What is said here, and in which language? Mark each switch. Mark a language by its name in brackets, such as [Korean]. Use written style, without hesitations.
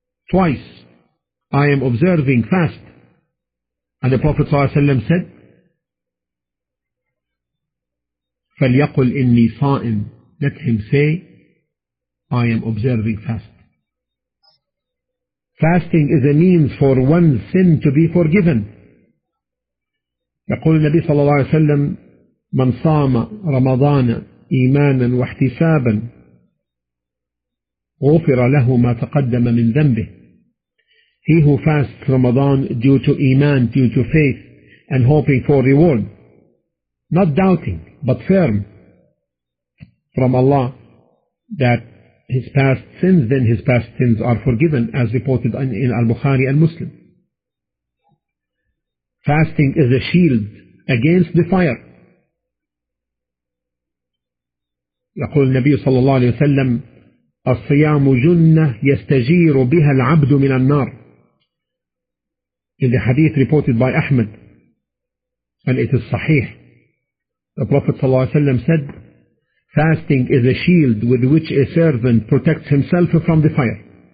[English] Twice, I am observing fast. And the Prophet ﷺ said, [Arabic] فَلْيَقُلْ إِنِّي صَائِمٌ, [English] let him say, I am observing fast. Fasting is a means for one's sin to be forgiven. [Arabic] يقول النبي صلى الله عليه وسلم, من صام رمضان إيمانا واحتسابا غفر له ما تقدم من ذنبه. [English] He who fasts Ramadan due to iman, due to faith, and hoping for reward, not doubting, but firm from Allah that his past sins, then his past sins are forgiven, as reported in Al-Bukhari and Muslim. Fasting is a shield against the fire. [Arabic] يقول النبي صلى الله عليه وسلم, الصيام جنة يستجير بها العبد من النار. [English] in the hadith reported by Ahmed, and it is sahih. The Prophet ﷺ said, fasting is a shield with which a servant protects himself from the fire.